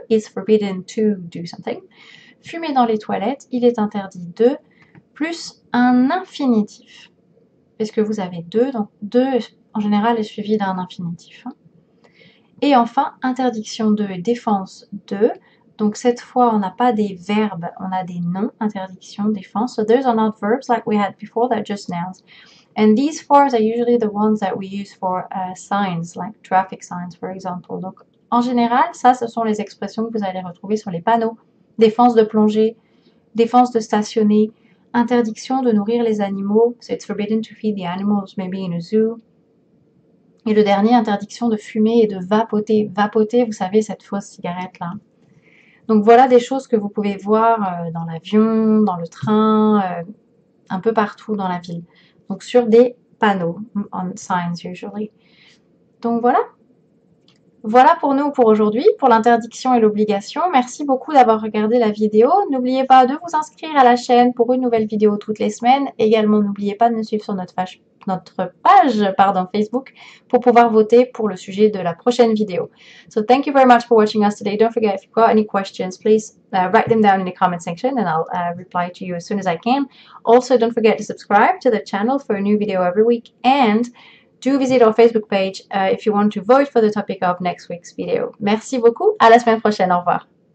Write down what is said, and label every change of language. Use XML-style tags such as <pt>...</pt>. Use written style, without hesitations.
<en>It's forbidden to do something.</en> <fr>Fumer dans les toilettes, il est interdit de. Plus un infinitif. Parce que vous avez deux, donc deux en général est suivi d'un infinitif. Et enfin, interdiction de et défense de. Donc cette fois, on n'a pas des verbes, on a des noms. Interdiction, défense.</fr> <en>So those are not verbs like we had before, they're just nouns. And these forms are usually the ones that we use for signs, like traffic signs, for example.</en> <fr>Donc en général, ça, ce sont les expressions que vous allez retrouver sur les panneaux. Défense de plonger, défense de stationner, interdiction de nourrir les animaux.</fr> <en>So it's forbidden to feed the animals, maybe in a zoo.</en> <fr>Et le dernier, interdiction de fumer et de vapoter. Vapoter, vous savez, cette fausse cigarette-là. Donc voilà des choses que vous pouvez voir dans l'avion, dans le train, un peu partout dans la ville. Donc sur des panneaux, on</fr> <en>signs usually.</en> <fr>Donc voilà. Voilà pour nous pour aujourd'hui, pour l'interdiction et l'obligation. Merci beaucoup d'avoir regardé la vidéo. N'oubliez pas de vous inscrire à la chaîne pour une nouvelle vidéo toutes les semaines. Également, n'oubliez pas de nous suivre sur notre page, pardon, Facebook pour pouvoir voter pour le sujet de la prochaine vidéo.</fr> <en>So thank you very much for watching us today. Don't forget, if you've got any questions, please write them down in the comment section and I'll reply to you as soon as I can. Also, don't forget to subscribe to the channel for a new video every week and do visit our Facebook page if you want to vote for the topic of next week's video.</en> <fr>Merci beaucoup. À la semaine prochaine. Au revoir.</fr>